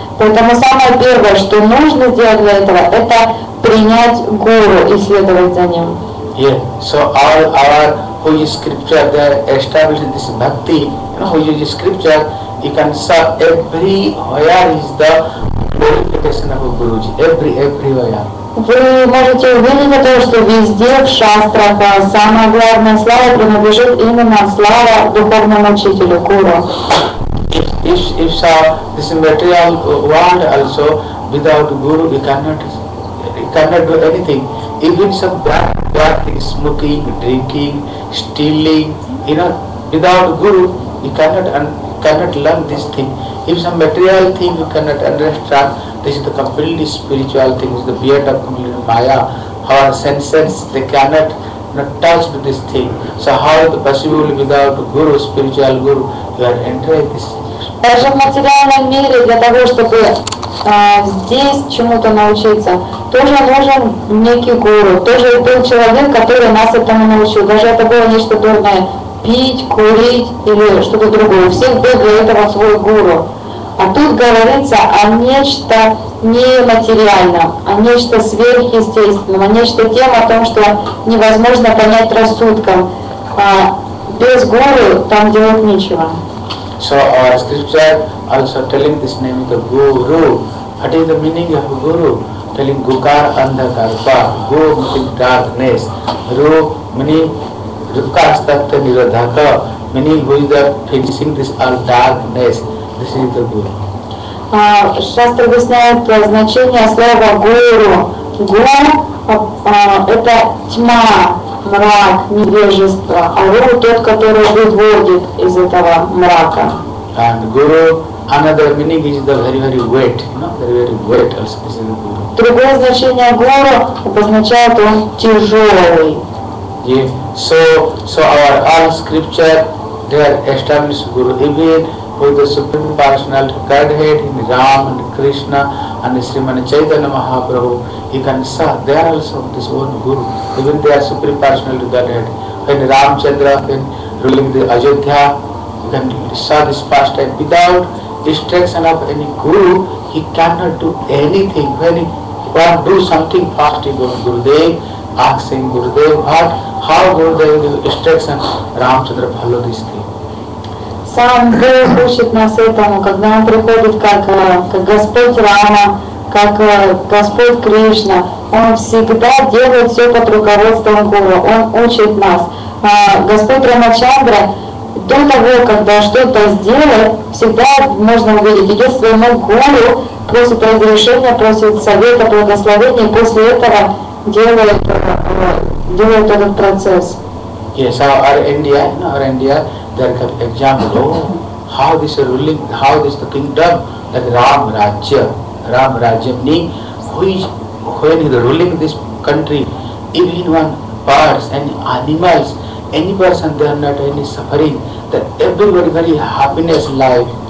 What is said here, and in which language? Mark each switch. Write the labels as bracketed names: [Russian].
[Russian] Поэтому самое первое, что нужно сделать для этого, это принять Гуру и следовать за ним. [English] Yeah, so our who is scripture that establishes this bhakti, who is scripture, you can serve everywhere is the glorification of Guruji, everywhere. [Russian] Вы можете увидеть то, что везде в шастрах самая главная слава принадлежит именно слава духовному учителю, Гуру. [English] If so, this material world also, without Guru, we cannot do anything. Even some bad things, smoking, drinking, stealing, without Guru, we cannot learn this thing. If some material thing you cannot understand, this is the completely spiritual thing, this is the beard of complete Maya. Our senses, they cannot touch this thing. So how is it possible without Guru, spiritual Guru, you are entering this? [Russian] Даже в материальном мире для того, чтобы здесь чему-то научиться, тоже нужен некий гуру, тоже был человек, который нас этому научил. Даже это было нечто дурное, пить, курить или что-то другое. У всех был для этого свой гуру. А тут говорится о нечто нематериальном, о нечто сверхъестественном, о нечто тем, о том, что невозможно понять рассудком. Без гуру там делать нечего. [English] So our scripture also telling this name the Guru. What is the meaning of Guru? Telling Gukar Andhakarpa. Gu meaning darkness. Ru meaning Rukastakta Niradhaka. Meaning who is the finishing this all darkness. This is the Guru. [Russian] Shastra объясняет значение слова Guru. Гу это тьма, мрак, невежество. А Ру тот, который выводит из этого мрака. [English] And Guru, another meaning is the very, very wet, very, very wet also, this is the Guru. [Russian] Другое значение Guru обозначает он тяжелый. [English] Yeah. So our all scripture, they are established Guru. Even with the Supreme Personal Godhead in Ram and Krishna and Srimana Chaitanya Mahaprabhu, he can serve, they are also this own Guru. Even they are Supreme Personal Godhead. When Ramchandra when ruling the Ayodhya, then saw this past time without distraction of any guru, he cannot do anything. When he want to do something fast, he goes to Gurudev, asking Gurudev, but how Gurudev will distraction Ramchandra follow this thing? [Russian] Сам Бог учит нас этому, когда он приходит как Господь Рама, как Господь Кришна. Он всегда делает все под руководством Гуру. Он учит нас. А Господь Рамачандра до того, когда что-то сделает, всегда можно увидеть, идет своему Гуру, просит разрешения, просит совета, благословения, и после этого делает этот процесс. [English] Yes, our India, there is an example of how this ruling, how this the kingdom, that Ram Rajya, when he is ruling this country, even one birds, any animals, any person, they are not any suffering, that everybody very happiness life.